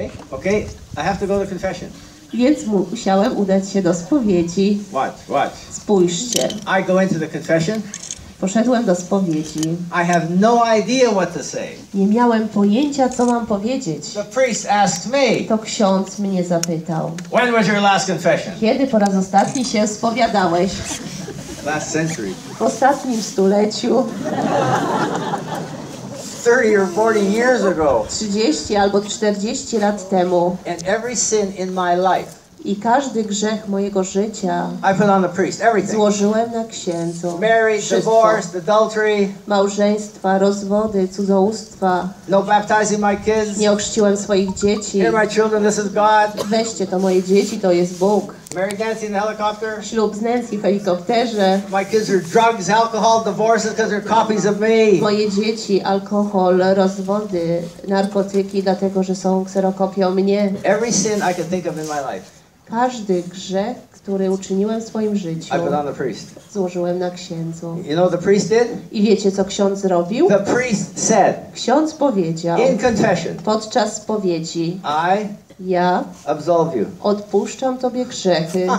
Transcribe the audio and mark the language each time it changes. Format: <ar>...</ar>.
<en>Okay. I have to go to confession.</en> <pl>Więc musiałem udać się do spowiedzi.</pl> <en>Watch.</en> <pl>Spójrzcie.</pl> <en>I go into the confession.</en> <pl>Poszedłem do spowiedzi.</pl> <en>I have no idea what to say.</en> <pl>Nie miałem pojęcia, co mam powiedzieć.</pl> <en>The priest asked me.</en> <pl>To ksiądz mnie zapytał.</pl> <en>When was your last confession?</en> <pl>Kiedy po raz ostatni się spowiadałeś?</pl> <en>Last century.</en> <pl>W ostatnim stuleciu.</pl> <en>30 or 40 years ago.</en> <pl>30 albo 40 lat temu.</pl> <en>And every sin in my life.</en> <pl>I każdy grzech mojego życia.</pl> <en>I put on the priest, everything.</en> <pl>Złożyłem na księdza.</pl> <en>Marriage,</en> <pl>wszystko.</pl> <en>Divorce, adultery.</en> <pl>Małżeństwa, rozwody, cudzołóstwa.</pl> <en>No baptizing my kids.</en> <pl>Nie ochrzciłem swoich dzieci.</pl> <en>Hear my children, this is God.</en> <pl>Weźcie to moje dzieci, to jest Bóg.</pl> <en>Married Nancy in the helicopter.</en> <pl>Ślub z Nancy w helikopterze.</pl> <en>My kids are drugs, alcohol, divorces because they're copies of me.</en> <pl>Moje dzieci, alkohol, rozwody, narkotyki, dlatego że są kserokopią mnie.</pl> <en>Every sin I can think of in my life.</en> <pl>Każdy grzech, który uczyniłem w swoim życiu,</pl> <en>I put on the priest.</en> <pl>Złożyłem na księdzu.</pl> <en>You know the priest did?</en> <pl>I wiecie, co ksiądz zrobił?</pl> <en>The priest said,</en> <pl>ksiądz powiedział,</pl> <en>in confession,</en> <pl>podczas spowiedzi,</pl> <en>I</en> <pl>ja</pl> <en>absolve you.</en> <pl>Odpuszczam tobie grzechy.</pl>